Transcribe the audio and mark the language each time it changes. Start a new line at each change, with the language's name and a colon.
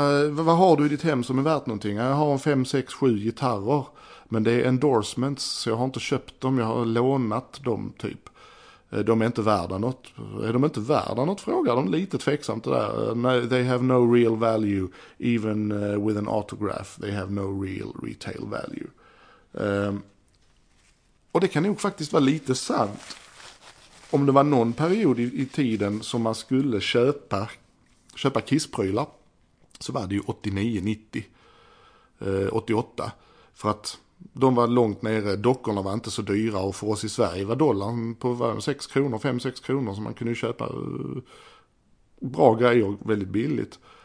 Swedish: Vad har du i ditt hem som är värt någonting? Jag har 5, 6, 7 gitarrer. Men det är endorsements, så jag har inte köpt dem. Jag har lånat dem typ. De är inte värda något. Är de inte värda något? Frågar de lite tveksamt det där.
English: No, they have no real value. Even with an autograph, they have no real retail value.
Swedish: Och det kan nog faktiskt vara lite sant. Om det var någon period i tiden som man skulle köpa Kiss-prylar, så var det ju 89-90, 88. För att de var långt nere, dockorna var inte så dyra, och för oss i Sverige var dollarn på 6 kronor, 5-6 kronor, som man kunde köpa bra grejer väldigt billigt.